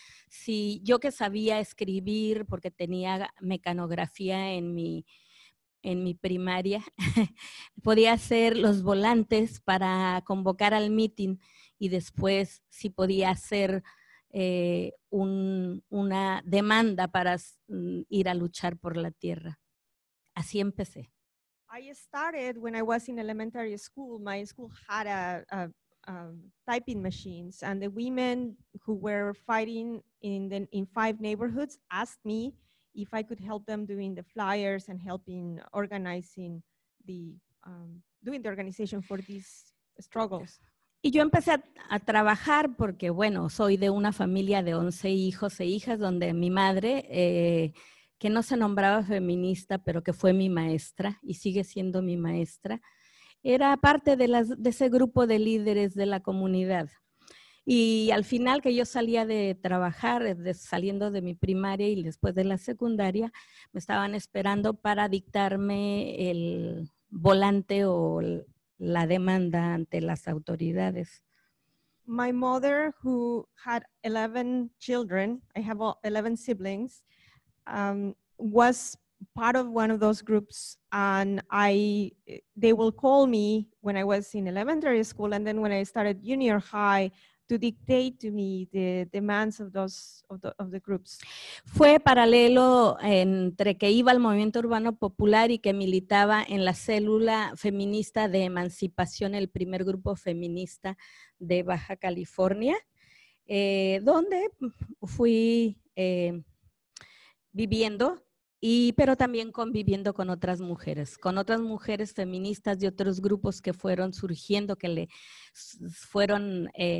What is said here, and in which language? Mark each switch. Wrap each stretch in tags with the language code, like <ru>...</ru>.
<es>Si yo que sabía escribir porque tenía mecanografía en mi primaria, podía hacer los volantes para convocar al mitin y después si podía hacer una demanda para ir a luchar por la tierra. Así empecé.</es> <en>I started when I was in elementary school. My school had a typing machines, and the women who were fighting in 5 neighborhoods asked me if I could help them doing the flyers and helping organizing doing the organization for these struggles.</en> <es>Y yo empecé a trabajar porque, bueno, soy de una familia de 11 hijos e hijas donde mi madre, que no se nombraba feminista, pero que fue mi maestra y sigue siendo mi maestra, era parte de ese grupo de líderes de la comunidad. Y al final que yo salía de trabajar, saliendo de mi primaria y después de la secundaria, me estaban esperando para dictarme el volante o la demanda ante las autoridades.</es> <en>My mother, who had 11 children, I have 11 siblings, was part of one of those groups, and they will call me when I was in elementary school, and then when I started junior high, to dictate to me the demands of the groups.</en> <es>Fue paralelo entre que iba al movimiento urbano popular y que militaba en la célula feminista de emancipación, el primer grupo feminista de Baja California, donde fui viviendo pero también conviviendo con otras mujeres, feministas de otros grupos que fueron surgiendo, que le fueron</es>